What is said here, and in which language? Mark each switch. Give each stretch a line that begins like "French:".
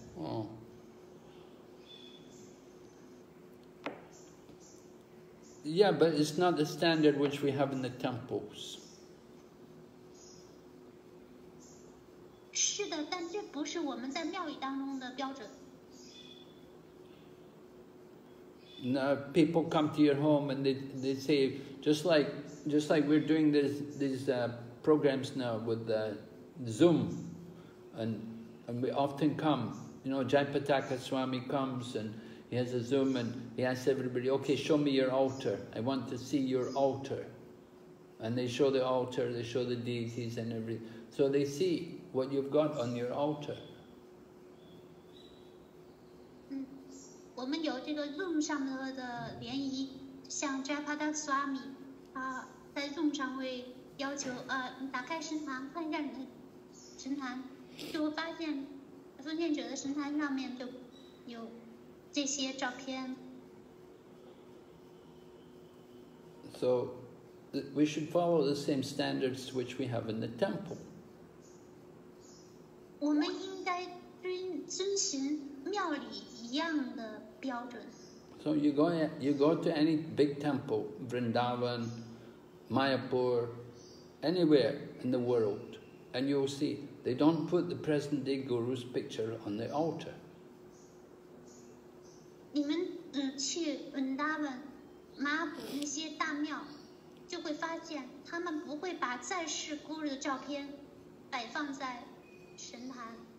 English: 哦，Yeah, but it's not the standard which we have in the temples.
Chinese: 是的，但这不是我们在庙宇当中的标准。
English: Now, people come to your home and they say, just like we're doing these programs now with the Zoom, and we often come, you know, Jayapataka Swami comes and he has a Zoom and he asks everybody, okay, show me your altar. I want to see your altar. And they show the altar, they show the deities and everything. So they see what you've got on your altar.
Chinese: 我们有这个 Zoom 上面的联谊，像 Jayapada Swami 在 Zoom 上会要求你打开神坛看一下你的神坛，就会发现奉献者的神坛上面就有这些照片。
English: So we should follow the same standards which we have in the temple.
Chinese: 我们应该遵循庙里一样的标准。
English: So you go to any big temple, Vrindavan, Mayapur, anywhere in the world, and you'll see they don't put the present day guru's picture on the altar.
Chinese: 你们去 Vrindavan, Mayapur 那些大庙，就会发现他们不会把在世 guru 的照片摆放在神坛。